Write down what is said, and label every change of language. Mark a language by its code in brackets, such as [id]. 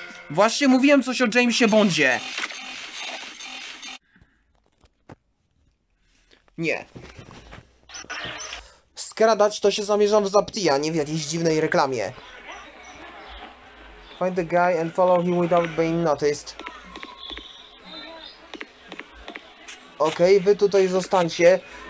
[pl] Właśnie mówiłem coś o Jamesie Bondzie. Nie. Skradać to się zamierzam w Zaptija, nie w jakiejś dziwnej reklamie. [en] Find the guy and follow him without being noticed. [pl] Okej, wy tutaj zostańcie.